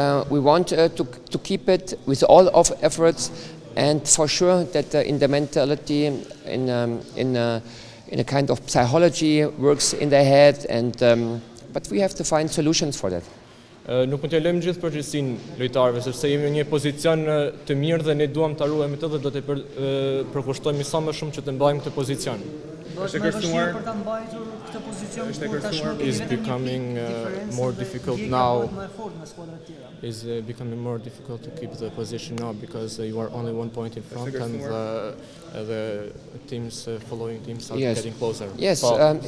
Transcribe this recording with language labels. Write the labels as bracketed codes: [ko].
[en] We want to keep it with all of efforts, and for sure that in the mentality, in a kind of psychology works in their head. And but we have to find solutions for that. [sq] Nuk mund t'ja lëmë gjithë përgjegjësinë lojtarëve, sepse jemi në një pozicion të mirë dhe ne duam ta ruajmë të dhe do të përkushtojmë sa më shumë që të mbajmë këtë pozicion. Është kërcënuar për ta mbajtur këtë pozicion, është kërcënuar. [en] Is becoming more difficult now. Is becoming more difficult to keep the position now because you are only 1 point in front and the teams following teams are getting closer. Yes, it will be a battle until the end.